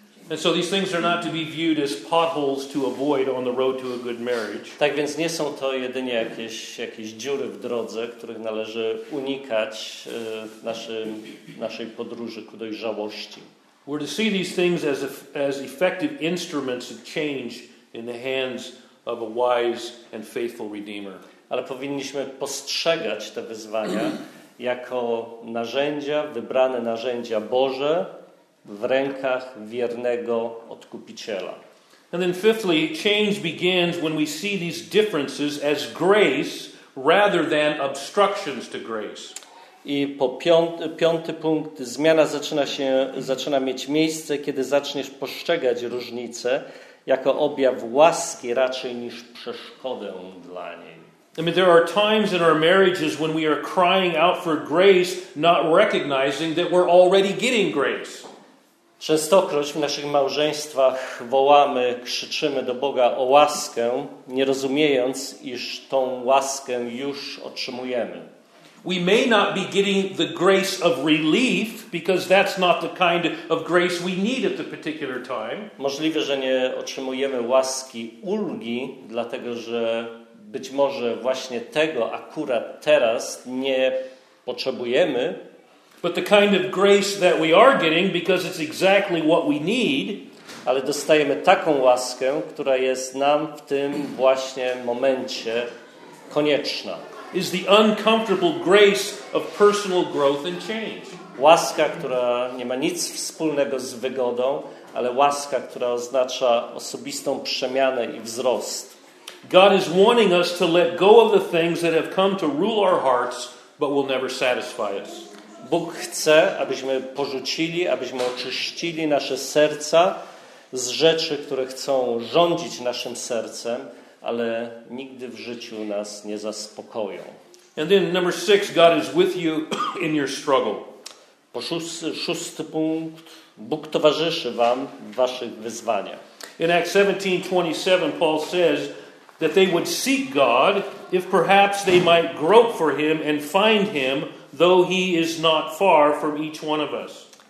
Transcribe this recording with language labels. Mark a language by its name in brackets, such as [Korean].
[English] And so these things are not to be viewed as potholes to avoid on the road to a good marriage. [Polish] Tak więc nie są to jedynie jakieś dziury w drodze, których należy unikać w naszej podróży ku dojrzałości. [English] We're to see these things as effective instruments of change in the hands of a wise and faithful Redeemer. [Polish] Ale powinniśmy postrzegać te wyzwania jako narzędzia, wybrane narzędzia Boże w rękach wiernego odkupiciela. [English] And then fifthly, change begins when we see these differences as grace rather than obstructions to grace. [Polish] I po piąty punkt, zmiana zaczyna mieć miejsce, kiedy zaczniesz postrzegać różnice jako objaw łaski raczej niż przeszkodę dla niej. [English] I mean, there are times in our marriages when we are crying out for grace, not recognizing that we're already getting grace. [Polish] Częstokroć w naszych małżeństwach wołamy, krzyczymy do Boga o łaskę, nie rozumiejąc, iż tą łaskę już otrzymujemy. [English] We may not be getting the grace of relief because that's not the kind of grace we need at the particular time. [Polish] Możliwe, że nie otrzymujemy łaski ulgi, dlatego że być może właśnie tego akurat teraz nie potrzebujemy. [English] But the kind of grace that we are getting because it's exactly what we need, [Polish] ale dostajemy taką łaskę, która jest nam w tym właśnie momencie konieczna. [English] Is the uncomfortable grace of personal growth and change. [Polish] Łaska, która nie ma nic wspólnego z wygodą, ale łaska, która oznacza osobistą przemianę i wzrost. [English] God is wanting us to let go of the things that have come to rule our hearts but will never satisfy us. [Polish] Bóg chce, abyśmy porzucili, abyśmy oczyścili nasze serca z rzeczy, które chcą rządzić naszym sercem, ale nigdy w życiu nas nie zaspokoją. [English] And then number six, God is with you in your struggle. [Polish] Po szósty punkt, Bóg towarzyszy wam w waszych wyzwaniach. [English] In Acts 17:27 Paul says that they would seek God if perhaps they might grope for him and find him, though he is not far from each one of us.